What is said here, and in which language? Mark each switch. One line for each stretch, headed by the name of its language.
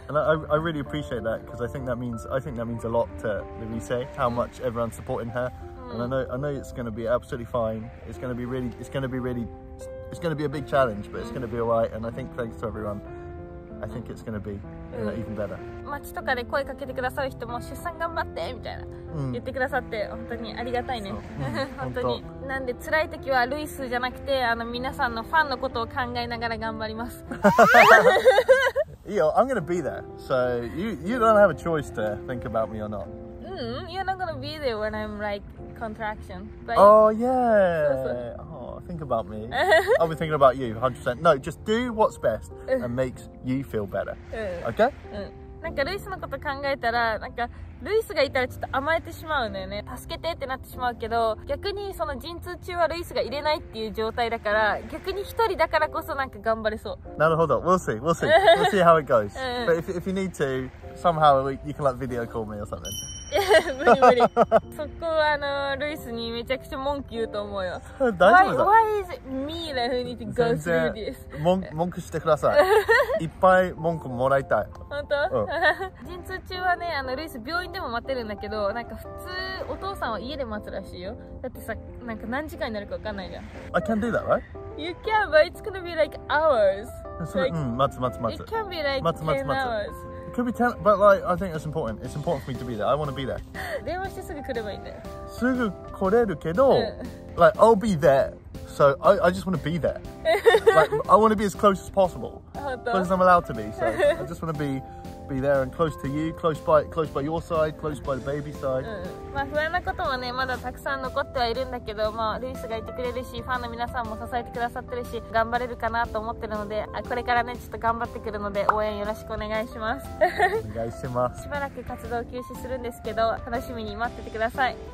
English: and I really appreciate that, because I think that means a lot to Louise, how much everyone's supporting her. And I know it's going to be absolutely fine. It's going to be a big challenge, but it's going to be alright. And I think thanks to everyone, I think it's going to be, you know, even better.
Japanese: 街とかで声かけてくださる人も、出産頑張ってみたいな言ってくださって、本当にありがたいね。本当になんで、辛い時はルイスじゃなくて、あの皆さんのファンのことを考えながら頑張ります。いいよ、
English: I'm gonna be there. So you don't have a choice to think about me or not. You're not gonna be there when I'm like contraction. But oh yeah. Think about me. I'll be thinking about you 100%. No, just do what's best and makes you feel better. Okay?
Japanese: なんかルイスのこと考えたら、なんかルイスがいたらちょっと甘えてしまうのよね。助けてってなってしまうけど、逆にその陣痛中はルイスがいれないっていう状態だから、逆に一人だからこそなんか頑張れそう。なるほど。
English: We'll see. We'll see. We'll see how it goes. But if you need to, somehow you can like video call me or something.
Japanese: 無理無理。そこはルイスにめちゃくちゃ文句言うと思うよ。大丈夫だ。
English: Why is it me that we need to go through this?
Japanese: 文句してください。いっぱい文句もらいたい。本当、うん、陣痛中はね、ルイス病院でも待ってるんだけど、なんか普通お父さんは家で待つらしいよ。だってさ、なんか何時間になるか分かんないじゃん。
English: I can do that, right? You can, but it's gonna be like hours.
Japanese: Like, うん、待つ
English: It can be like 10 hours. Could be ten, but like I think it's important. It's important for me to be there. I want to be there.
Japanese: 電話してすぐ来ればいいんだよ。すぐ来れるけど、うん、
English: like I'll be there. So I just want to be there. Like I want to be as close as possible. Close as I'm allowed to be. So I just want to be there and close to you, close by your side, close by the baby side.
Japanese: まあ不安なこともね、まだたくさん残ってはいるんだけど、まあルイスがいてくれるし、ファンの皆さんも支えてくださってるし、頑張れるかなと思ってるので、これからねちょっと頑張ってくるので、応援よろしくお願いします。お願いします。しばらく活動休止するんですけど、楽しみに待っててください。